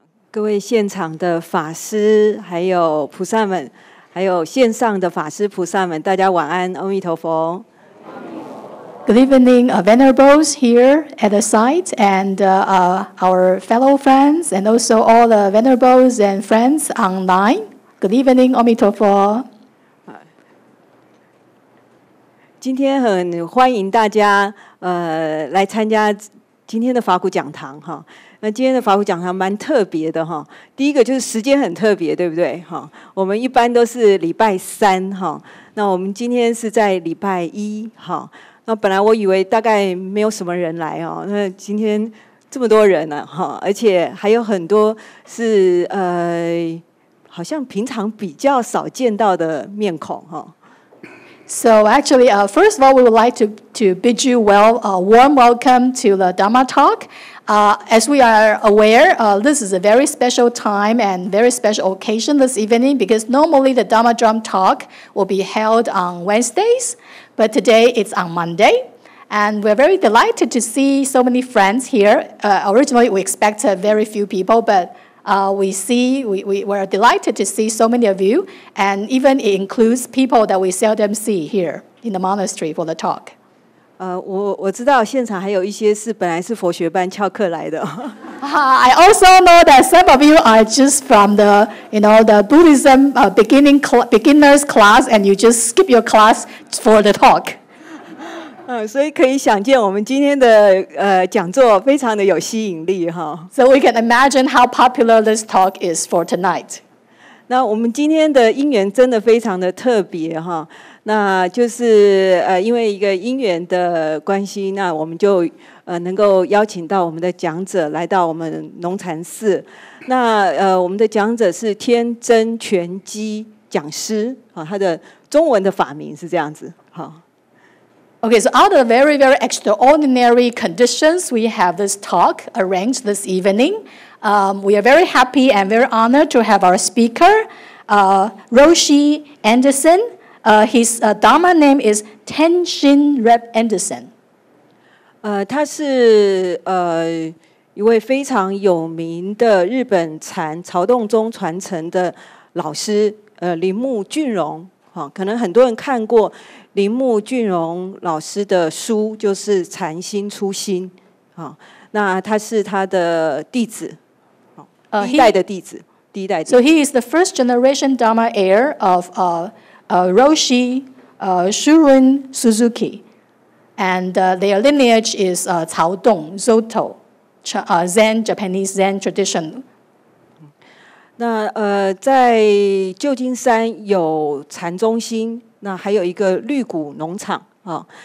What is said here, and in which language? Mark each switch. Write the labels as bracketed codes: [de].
[zh] 各位现场的法师，还有菩萨们，还有线上的法师菩萨们，大家晚安，阿弥陀佛。 [en] Good evening, venerables here at the site, and our fellow friends, and also all the venerables and friends online. Good evening, 阿弥陀佛。 [zh] 今天很欢迎大家来参加今天的法鼓讲堂哈。那今天的法鼓讲堂蛮特别的哈，第一个就是时间很特别，对不对哈？我们一般都是礼拜三哈，那我们今天是在礼拜一哈。那本来我以为大概没有什么人来哦，那今天这么多人呢哈，而且还有很多是好像平常比较少见到的面孔哈。 [en] So actually, first of all, we would like to bid you warm welcome to the Dharma Talk. As we are aware, this is a very special time and very special occasion this evening because normally the Dharma Drum Talk will be held on Wednesdays, but today it's on Monday. And we're very delighted to see so many friends here. Originally, we expected very few people, but we're delighted to see so many of you, and even it includes people that we seldom see here in the monastery for the talk. [zh] 我知道现场还有一些是本来是佛学班翘课来的。 [en] I also know that some of you are just from the, you know, the Buddhism beginner's class, and you just skip your class for the talk. [zh] 所以可以想见我们今天的讲座非常的有吸引力哈。 [en] So we can imagine how popular this talk is for tonight. [zh] 那我们今天的因缘真的非常的特别哈。那就是因为一个因缘的关系，那我们就能够邀请到我们的讲者来到我们龙禅寺。那我们的讲者是天真全基讲师啊，他的中文的法名是这样子哈。 [en] Okay, so out of the very, very extraordinary conditions, we have this talk arranged this evening. We are very happy and very honored to have our speaker, Roshi Anderson. His Dharma name is Tenshin Reb Anderson. [zh] 他是一位非常有名的日本禅朝洞宗传承的老师，铃木俊荣。可能很多人看过铃木俊荣老师的书，就是《禅心初心》。那他是他的弟子，第一代的弟子，第一代的。 [en] So he is the first generation Dharma heir of Roshi Shurun Suzuki, and their lineage is Cao Dong Zoto, Zen Japanese Zen tradition. [zh] 那在旧金山有禅中心，那还有一个绿谷农场啊。